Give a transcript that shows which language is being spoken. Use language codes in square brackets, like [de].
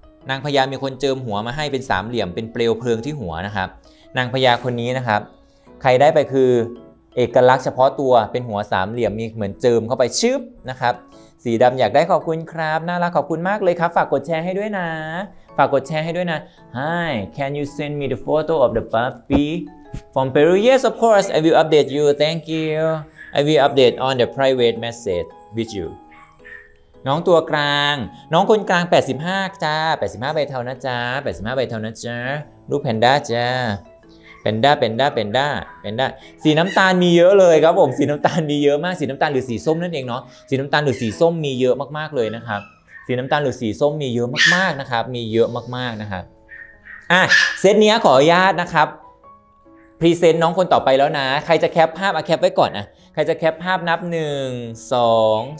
[th] นางพญามีคนเจิมหัวมาให้เป็นสามเหลี่ยมเป็นเปลวเพลิงที่หัวนะครับนางพญาคนนี้นะครับใครได้ไปคือเอกลักษณ์เฉพาะตัวเป็นหัวสามเหลี่ยมมีเหมือนเจิมเข้าไปชึบนะครับสีดำอยากได้ขอบคุณครับน่ารักขอบคุณมากเลยครับฝากกดแชร์ให้ด้วยนะฝากกดแชร์ให้ด้วยนะ [en] Hi can you send me the photo of the puppyFrom Peru, yes, of course. I will update you. Thank you. I will update on the private message with you. [th] น้องตัวกลางน้องคนกลาง85จ้า85ใบเท่านะจ้า85ใบเท่านะจ้าลูกแพนด้าจ้าแพนด้าสีน้ำตาลมีเยอะเลยครับผมสีน้ำตาลมีเยอะมากสีน้ำตาลหรือสีส้มนั่นเองเนาะสีน้ำตาลหรือสีส้มมีเยอะมากๆเลยนะครับสีน้ำตาลหรือสีส้มมีเยอะมากๆนะครับมีเยอะมากๆนะครับเซตนี้ขออนุญาตนะครับพรีเซนต์น้องคนต่อไปแล้วนะใครจะแคปภาพอ่ะแคปไว้ก่อนอ่ะใครจะแคปภาพนับ1 2 3 4 5 6 7